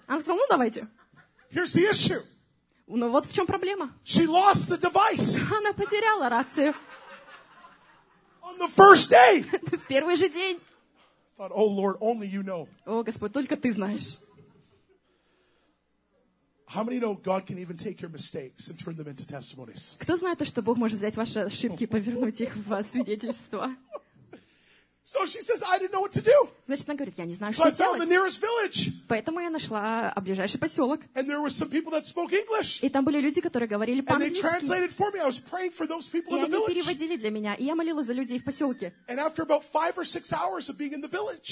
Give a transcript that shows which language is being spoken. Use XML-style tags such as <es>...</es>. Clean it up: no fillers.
<ru>Она сказала, ну давайте.</ru> <en>Here's the issue.</en> <ru>Ну вот в чем проблема.</ru> <en>She lost the device.</en> <ru>Она потеряла рацию.</ru> <en>On the first day.</en> <ru>В первый же день.</ru> <en>I thought, oh Lord, only you know.</en> <ru>О, Господь, только ты знаешь.</ru> <en>How many know God can even take your mistakes and turn them into testimonies?</en> <ru>Кто знает, что Бог может взять ваши ошибки и повернуть их в свидетельство?</ru> <en>So she says, I didn't know what to do.</en> <ru>Значит, она говорит, я не знаю,</ru> <en>so</en> <ru>что</ru> <en>I</en> <ru>делать.</ru> <en>So I found the nearest village.</en> <ru>Поэтому я нашла ближайший поселок.</ru> <en>And there were some people that spoke English.</en> <ru>И там были люди, которые говорили по-английски.</ru> <en>And they translated for me. I was praying for those people</en> <ru>и</ru> <en>in the village.</en> <ru>И они переводили для меня, и я молилась за людей в поселке.</ru> <en>And after about 5 or 6 hours of being in the village.</en>